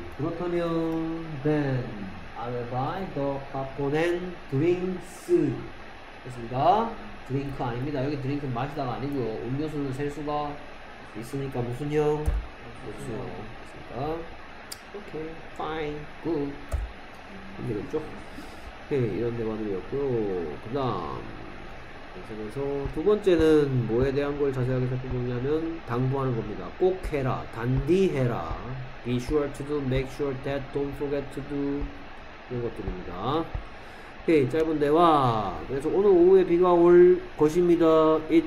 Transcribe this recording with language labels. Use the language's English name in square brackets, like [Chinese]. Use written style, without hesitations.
[Korean] 그렇다면, [English] then I will buy the popcorn and drinks. [Korean] 됐습니다. 드링크 아닙니다. 여기 드링크 마시다가 아니고요. 음료수는 셀 수가 있으니까 무슨 형? 없어요. 됐습니다. [English] 오케이. Fine. Good. [Korean] 힘들었죠? 네, 이런 대화들이었고요. 그 다음 그래서 두 번째는 뭐에 대한 걸 자세하게 살펴보냐면 당부하는 겁니다. 꼭 해라, 단디 해라. [English] Be sure to do, make sure that, don't forget to do [Korean] 이런 것들입니다. 네, 짧은 대화. 그래서 오늘 오후에 비가 올 것입니다.